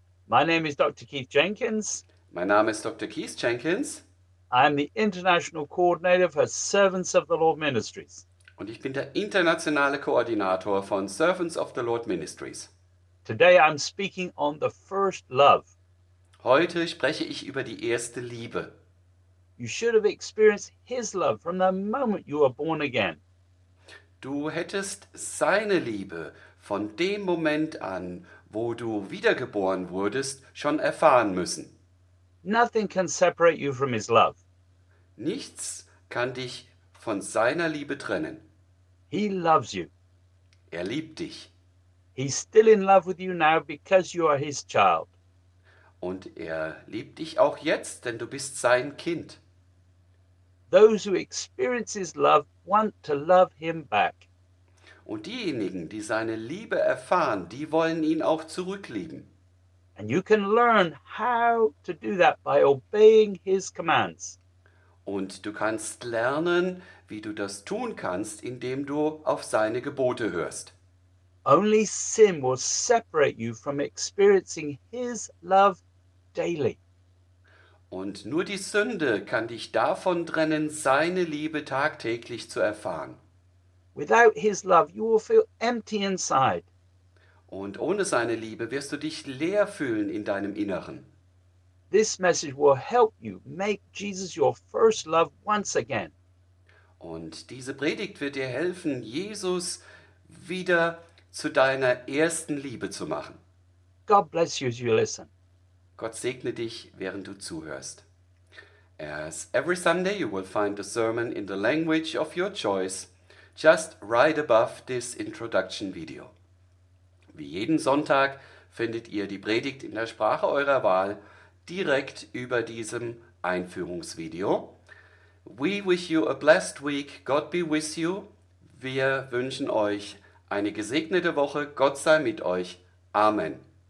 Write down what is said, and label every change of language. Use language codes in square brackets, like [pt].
[en] My name is Dr. Keith Jenkins. My name is Dr. Keith Jenkins. I'm the International Coordinator for Servants of the Lord Ministries. [de] Und ich bin der internationale Koordinator von Servants of the Lord Ministries. [en] Today I'm speaking on the first love. [de] Heute spreche ich über die erste Liebe. [en] You should have experienced His love from the moment you were born again. [de] Du hättest seine Liebe von dem Moment an, wo du wiedergeboren wurdest, schon erfahren müssen. [en] Nothing can separate you from his love. [de] Nichts kann dich von seiner Liebe trennen. [en] He loves you. [de] Er liebt dich. [en] He's still in love with you now because you are his child. [de] Und er liebt dich auch jetzt, denn du bist sein Kind. [en] Those who experience his love want to love him back. [de] Und diejenigen, die seine Liebe erfahren, die wollen ihn auch zurücklieben. [en] And you can learn how to do that by obeying his commands. [de] Und du kannst lernen, wie du das tun kannst, indem du auf seine Gebote hörst. [en] Only sin will separate you from experiencing his love daily. [de] Und nur die Sünde kann dich davon trennen, seine Liebe tagtäglich zu erfahren. [en] Without his love, you will feel empty inside. [de] Und ohne seine Liebe wirst du dich leer fühlen in deinem Inneren. [en] This message will help you make Jesus your first love once again. [de] Und diese Predigt wird dir helfen, Jesus wieder zu deiner ersten Liebe zu machen. [en] God bless you as you listen. [de] Gott segne dich, während du zuhörst. [en] As every Sunday you will find the sermon in the language of your choice, just right above this introduction video. [de] Wie jeden Sonntag findet ihr die Predigt in der Sprache eurer Wahl direkt über diesem Einführungsvideo. [en] We wish you a blessed week. God be with you. [de] Wir wünschen euch eine gesegnete Woche. Gott sei mit euch. Amen.